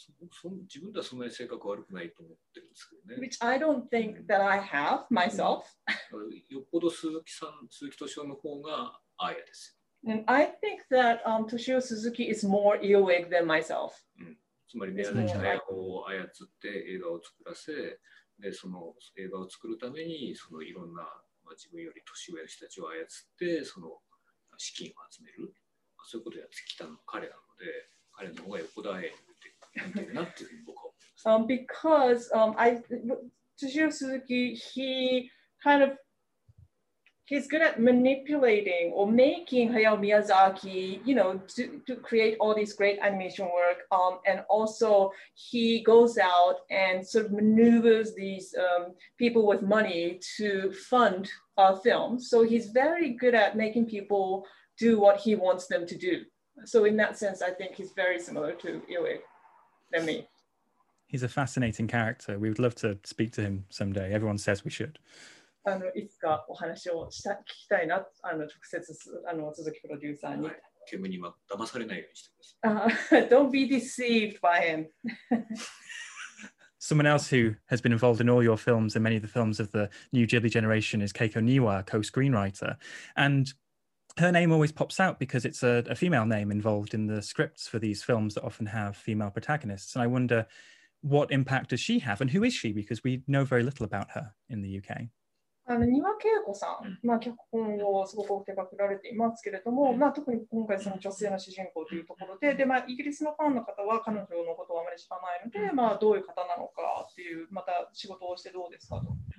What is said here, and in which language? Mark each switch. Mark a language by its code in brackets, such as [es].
[ja] そ自分ではそんなに性格悪くないと思ってるんですけどね。 [en] Which I don't think that I have myself. [ja] よっぽど鈴木さん、鈴木敏夫の方がアーヤですよ。 [en] And I think that Toshio Suzuki is more Eowyn than myself. [ja] つまり宮崎駿を操って映画を作らせ、でその映画を作るためにそのいろんな、まあ、自分より年上の人たちを操ってその資金を集める、そういうことをやってきたのが彼なので、彼の方がよこだえって言ってるなっていうふうに僕は思います。 [en] Because Toshio Suzuki, he kind ofHe's good at manipulating or making Hayao Miyazaki, you know, to create all these great animation work. And also he goes out and sort of maneuvers these people with money to fund films. So he's very good at making people do what he wants them to do. So in that sense, I think he's very similar to Iwe than me. He's a fascinating character. We would love to speak to him someday. Everyone says we should. [ja] いつかお話を聞きたいな、直接鈴木プロデューサーに。ケムに騙されないようにしてください。 [en] Don't be deceived by him. Someone else who has been involved in all your films and many of the films of the new Ghibli generation is Keiko Niwa, co-screenwriter. And her name always pops out because it's a female name involved in the scripts for these films that often have female protagonists. And I wonder what impact does she have and who is she? Because we know very little about her in the UK. [ja] 丹羽恵子さん、まあ、脚本をすごく手掛けられていますけれども、まあ、特に今回その女性の主人公というところ で、まあ、イギリスのファンの方は彼女のことをあまり知らないので、まあ、どういう方なのかっていう、また仕事をしてどうですかと。